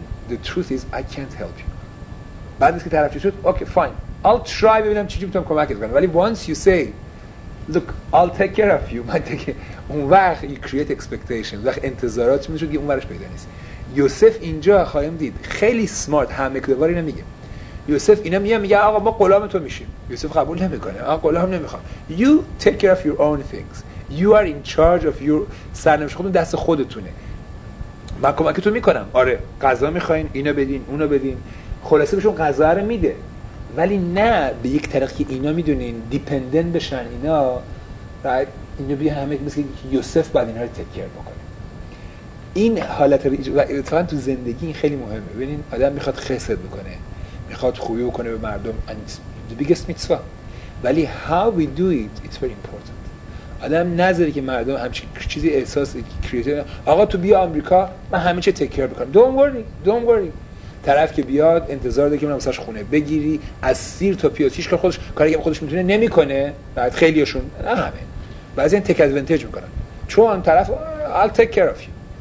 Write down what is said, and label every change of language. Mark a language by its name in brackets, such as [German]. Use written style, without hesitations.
[English] the truth is I can't help you، بعد از که طرف شد okay fine I'll try ببینم چی میتونم کمکت کنم، ولی once you say look I'll take care of you من دیگه اون وقت you create expectations، وقت انتظارات میشه که اون ورش پیدا نیست، [Persian] یوسف اینجا خواهیم دید خیلی سمارت همه کدوار اینو میگه. یوسف اینا میگه آقا ما غلام تو میشیم. یوسف قبول نمیکنه، آقا غلام نمیخوام. [English] You take care of your own things. You are in charge of your سرنوشت، خودتون دست خودتونه. [Persian] من کمکتون میکنم. آره غذا میخواین اینا بدین، اونا بدین. خلاصه بهشون غذا رو میده. ولی نه به یک طریقی که اینا میدونین دیپندنت بشن اینا. بعد اینو بیا همه مثل یوسف بعد اینا رو تیک کیر بکنه. این حالت رو اتفاقا تو زندگی این خیلی مهمه. ببینین آدم میخواد خسد بکنه، میخواد خوبی بکنه به مردم، the biggest mitzvah. [English] ولی how we do it it's very important. [Persian] آدم نذاره که مردم همچین چیزی احساس کریتیو، آقا تو بیا آمریکا من همه چی تیک کیر بکنم. [English] don't worry. [Persian] طرف که بیاد انتظار داره که منم واسش خونه بگیری از سیر تا پیاسیش که خودش کاری که خودش میتونه نمیکنه. بعد خیلیشون نه همه بعضی این تک ادوانتج میکنن، چون طرف I'll take care of you.